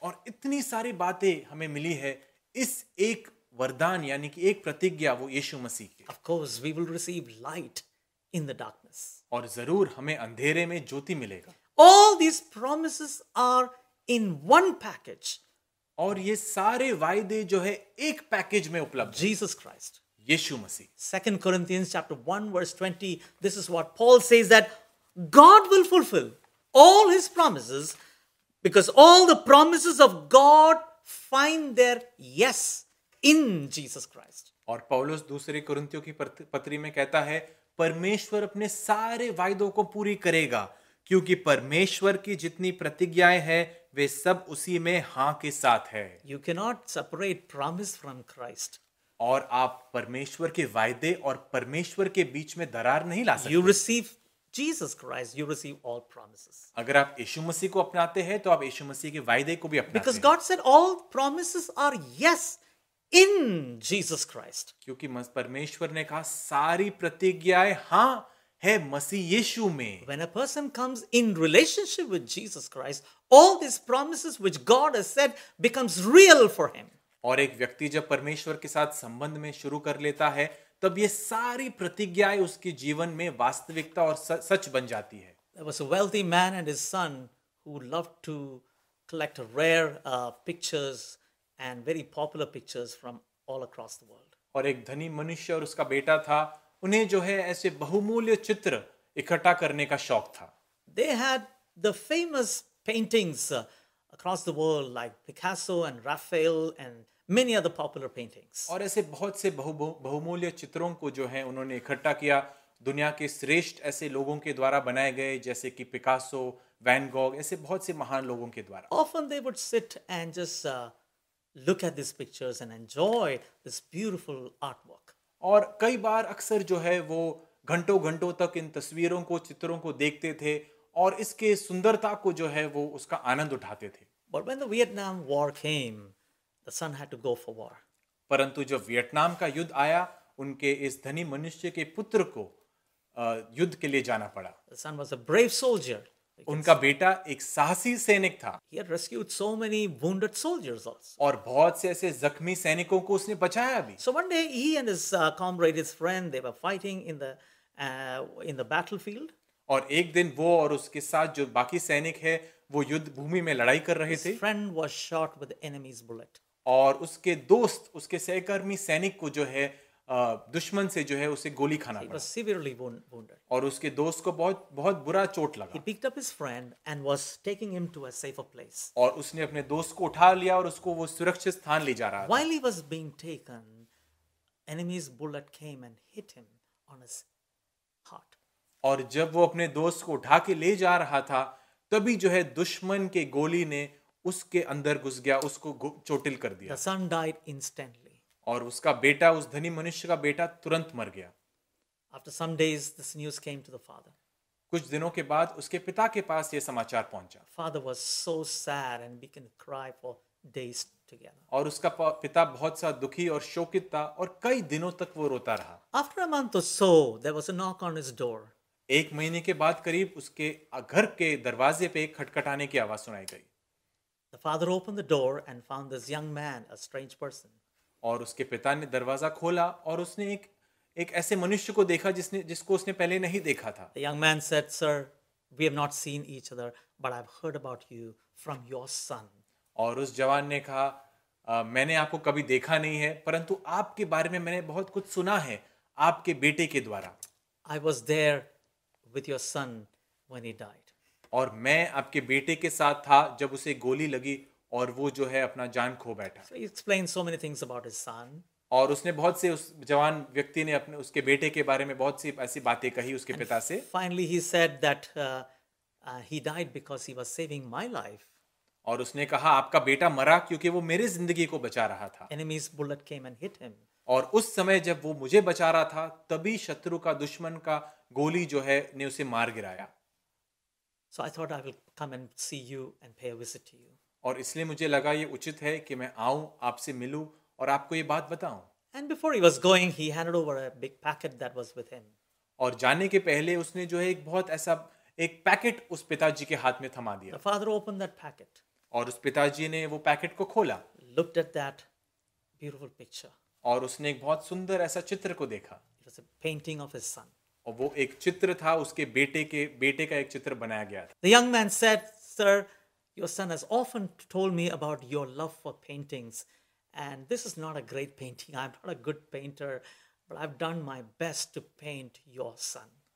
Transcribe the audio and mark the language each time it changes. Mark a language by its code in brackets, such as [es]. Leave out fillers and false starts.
[hi] और इतनी सारी बातें हमें मिली है इस एक वरदान यानी कि एक प्रतिज्ञा वो यीशु मसीह की. [en] Of course we will receive light in the darkness. [hi] और जरूर हमें अंधेरे में ज्योति मिलेगा. [en] All these promises are in one package. [hi] और ये सारे वायदे जो है एक पैकेज में उपलब्ध. [en] Jesus Christ. [hi] Yeshu Masih. [en] 2 Corinthians chapter 1 verse 20, this is what Paul says, that God will fulfill all his promises because all the promises of God find their yes in Jesus Christ. [hi] और पौलुस दूसरे कुरिन्थियों की पत्री में कहता है, परमेश्वर अपने सारे वायदों को पूरी करेगा क्योंकि परमेश्वर की जितनी प्रतिज्ञाएं हैं वे सब उसी में हां के साथ है. [en] You cannot separate promise from Christ. [hi] और आप परमेश्वर के वायदे और परमेश्वर के बीच में दरार नहीं ला सकते. [en] You receive Jesus Christ, you receive all promises. [hi] अगर आप यीशु मसीह को अपनाते हैं तो आप यीशु मसीह के वायदे को भी अपनाते हैं. [en] Because God said all promises are yes in Jesus Christ. [hi] क्योंकि परमेश्वर ने कहा सारी प्रतिज्ञाएं हां है मसीह यीशु में. [en] When a person comes in relationship with Jesus Christ, all these promises which God has said becomes real for him. [hi] और एक व्यक्ति जब परमेश्वर के साथ संबंध में शुरू कर लेता है तब ये सारी प्रतिज्ञाएं उसके जीवन में वास्तविकता और सच बन जाती है. [en] There was a wealthy man and his son who loved to collect rare pictures and very popular pictures from all across the world. [hi] और एक धनी मनुष्य और उसका बेटा था, उन्हें जो है ऐसे बहुमूल्य चित्र इकट्ठा करने का शौक था. [en] They had the famous paintings across the world like Picasso and Raphael and many other popular paintings. [hi] और ऐसे बहुत से बहुमूल्य चित्रों को जो है उन्होंने इकट्ठा किया दुनिया के श्रेष्ठ ऐसे लोगों के द्वारा बनाए गए, जैसे कि पिकासो, वैन गॉग, ऐसे बहुत से महान लोगों के द्वारा. [en] Often they would sit and just look at these pictures and enjoy this beautiful artwork. [hi] और कई बार अक्सर जो है वो घंटों घंटों तक इन तस्वीरों को, चित्रों को देखते थे और इसके सुंदरता को जो है वो उसका आनंद उठाते थे. [en] But when the Vietnam War came, the son had to go for war. [hi] परंतु जब वियतनाम का युद्ध आया, उनके इस धनी मनुष्य के पुत्र को युद्ध के लिए जाना पड़ा। [en] The son was a brave soldier. [hi] उनका बेटा एक साहसी सैनिक था। [en] He had rescued so many wounded soldiers also. [hi] और बहुत से ऐसे जख्मी सैनिकों को उसने बचाया भी। [en] So one day he and his comrade, his friend, they were fighting in the battlefield. [hi] और एक दिन वो और उसके साथ जो बाकी सैनिक है वो युद्ध भूमि में लड़ाई कर रहे थे। [en] His friend was shot with the enemy's bullet. [hi] और उसके दोस्त, उसके सहकर्मी सैनिक को जो है दुश्मन से जो है उसे गोली खाना पड़ा। [en] He was severely wounded. [hi] और उसके दोस्त को बहुत बहुत बुरा चोट लगा। [en] He picked up his friend and was taking him to a safer place. [hi] और उसने अपने दोस्त को उठा लिया और उसको वो सुरक्षित स्थान ले जा रहा था। [en] While he was being taken, enemy's bullet came and hit him on his heart. [hi] और जब वो अपने दोस्त को उठा के ले जा रहा था तभी जो है दुश्मन के गोली ने उसके अंदर घुस गया, उसको चोटिल कर दिया। [en] The son died instantly. [hi] और उसका बेटा, उस धनी मनुष्य का बेटा तुरंत मर गया। [en] After some days, this news came to the father. [hi] कुछ दिनों के बाद उसके पिता के पास ये समाचार पहुंचा। [en] Father was so sad and began to cry for days together. [hi] और उसका पिता बहुत सा दुखी और शोकित था और कई दिनों तक वो रोता रहा। [en] After a month or so, there was a knock on his door. [hi] एक महीने के बाद करीब उसके घर के दरवाजे पे एक खटखटाने की आवाज सुनाई गई। [en] The father opened the door and found this young man, a strange person. [hi] और उसके पिता ने दरवाजा खोला और उसने एक ऐसे मनुष्य को देखा जिसको उसने पहले नहीं देखा था। [en] The young man said, "Sir, we have not seen each other, but I've heard about you from your son." [hi] और उस जवान ने कहा, मैंने आपको कभी देखा नहीं है, परंतु आपके बारे में मैंने बहुत कुछ सुना है आपके बेटे के द्वारा। [en] I was there with your son when he died. [hi] और मैं आपके बेटे के साथ था जब उसे गोली लगी और वो जो है अपना जान खो बैठा। [en] So he explained so many things about his son. [hi] और उसने बहुत से, उस जवान व्यक्ति ने अपने उसके बेटे के बारे में बहुत सी ऐसी बातें कही उसके पिता से। [en] Finally he said that he died because he was saving my life. [hi] और उसने कहा, आपका बेटा मरा क्योंकि वो मेरी जिंदगी को बचा रहा था। [en] Enemy's bullet came and hit him. [hi] और उस समय जब वो मुझे बचा रहा था तभी शत्रु का, दुश्मन का गोली जो है ने उसे मार गिराया। [en] So I thought I will come and see you and pay a visit to you. [hi] और इसलिए मुझे लगा ये उचित है कि मैं आऊं, आपसे मिलूं और आपको ये बात बताऊं। [en] And before he was going, he handed over a big packet that was with him. [hi] और जाने के पहले उसने जो है एक बहुत ऐसा एक पैकेट उस पिताजी के हाथ में थमा दिया। [en] The father opened that packet. [hi] और उस पिताजी ने वो पैकेट को खोला। [en] Looked at that beautiful picture. [hi] और उसने एक बहुत सुंदर ऐसा चित्र को देखा। [en] It was a painting of his son. [hi] और वो एक चित्र था, उसके बेटे का एक चित्र बनाया गया था। [en] The young man said, "Sir, your son has often told me about your love for paintings, and this is not a great painting. I'm not a good painter, but I've done my best to paint your son."